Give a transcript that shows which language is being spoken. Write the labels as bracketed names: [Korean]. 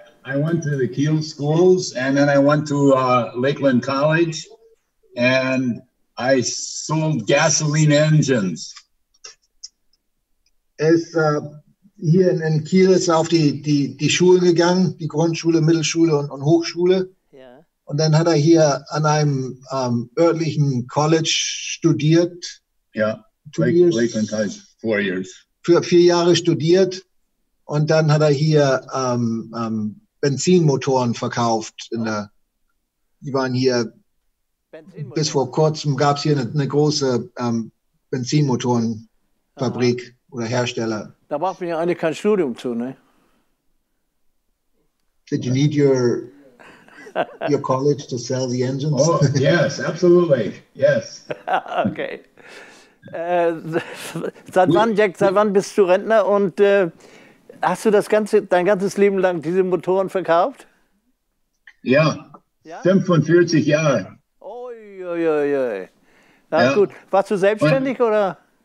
[English] I went to the Kiel schools and then I went to Lakeland College and I sold gasoline engines. [German] Er ist hier in Kiel ist auf die Schule gegangen, die Grundschule, Mittelschule und Hochschule. [English] Yeah. [German] Und dann hat er hier an einem örtlichen College studiert. Ja, [English] yeah. Lakeland College, 4 years. [German] Für 4 Jahre studiert. Und dann hat er hier Benzinmotoren verkauft. Die waren hier, bis vor kurzem gab es hier eine große Benzinmotorenfabrik. Aha. Oder Hersteller. Da braucht man ja eigentlich kein Studium zu, ne? [English] Did you need your college to sell the engines? Oh, yes, absolutely, yes. Okay. [German] Seit wann, Jack, bist du Rentner und hast du dein ganzes Leben lang diese Motoren verkauft? Ja, 45 Jahre. Oi. Na ja. Gut, warst du selbstständig oder?